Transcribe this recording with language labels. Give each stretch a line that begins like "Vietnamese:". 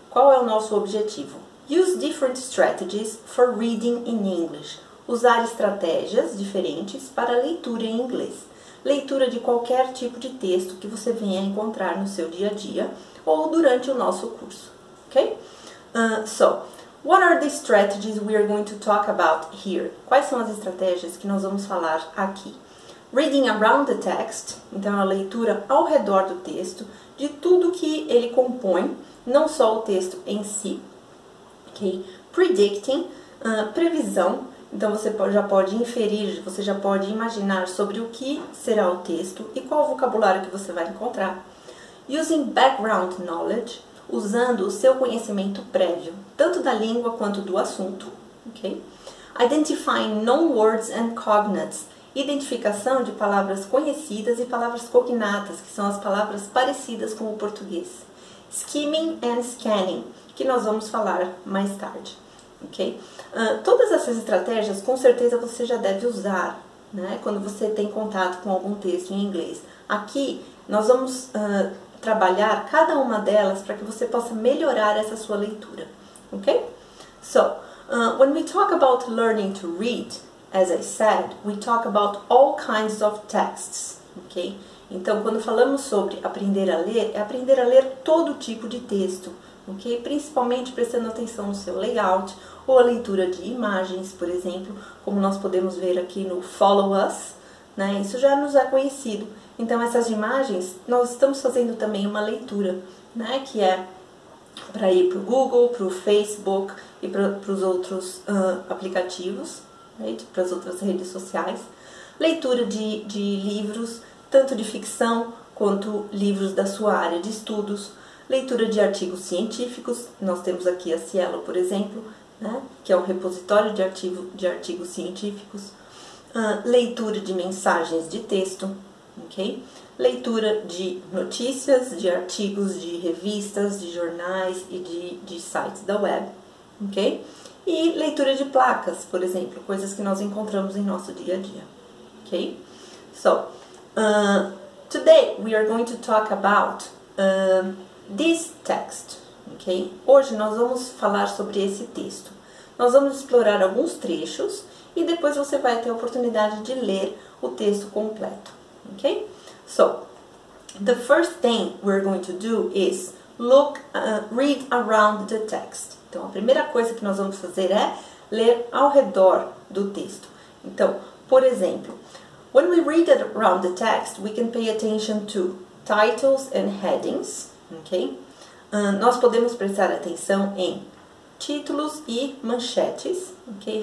Portuguese: Qual é o nosso objetivo?
English: Use different strategies for reading in English.
Portuguese: Usar estratégias diferentes para leitura em inglês. Leitura de qualquer tipo de texto que você venha encontrar no seu dia a dia ou durante o nosso curso.
English: Okay? So, what are the strategies we are going to talk about here?
Portuguese: Quais são as estratégias que nós vamos falar aqui?
English: Reading around the text,
Portuguese: então a leitura ao redor do texto, de tudo que ele compõe, não só o texto em si. Okay. Predicting, previsão, então você já pode inferir, você já pode imaginar sobre o que será o texto e qual vocabulário que você vai encontrar.
English: Using background knowledge,
Portuguese: usando o seu conhecimento prévio, tanto da língua quanto do assunto. Okay.
English: Identifying known words and cognates,
Portuguese: identificação de palavras conhecidas e palavras cognatas, que são as palavras parecidas com o português.
English: Skimming and scanning,
Portuguese: que nós vamos falar mais tarde, ok? Todas essas estratégias, com certeza, você já deve usar, né? Quando você tem contato com algum texto em inglês. Aqui, nós vamos trabalhar cada uma delas para que você possa melhorar essa sua leitura, ok?
English: So, when we talk about learning to read, as I said, we talk about all kinds of texts, ok?
Portuguese: Então, quando falamos sobre aprender a ler, é aprender a ler todo tipo de texto, ok? Principalmente prestando atenção no seu layout ou a leitura de imagens, por exemplo, como nós podemos ver aqui no Follow Us, né? Isso já nos é conhecido. Então, essas imagens, nós estamos fazendo também uma leitura, né? Que é para ir para o Google, para o Facebook e para os outros aplicativos, right? Para as outras redes sociais. Leitura de livros, tanto de ficção quanto livros da sua área de estudos, leitura de artigos científicos, nós temos aqui a Cielo, por exemplo, né? Que é um repositório de artigos científicos, leitura de mensagens de texto, okay? Leitura de notícias, de artigos, de revistas, de jornais e de sites da web, okay? E leitura de placas, por exemplo, coisas que nós encontramos em nosso dia a dia.
English: Okay? So, today we are going to talk about this text, ok?
Portuguese: Hoje nós vamos falar sobre esse texto. Nós vamos explorar alguns trechos e depois você vai ter a oportunidade de ler o texto completo, ok?
English: So, the first thing we're going to do is read around the text.
Portuguese: Então, a primeira coisa que nós vamos fazer é ler ao redor do texto. Então, por exemplo,
English: when we read it around the text, we can pay attention to titles and headings, okay?
Portuguese: Nós podemos prestar atenção em títulos e manchetes, okay?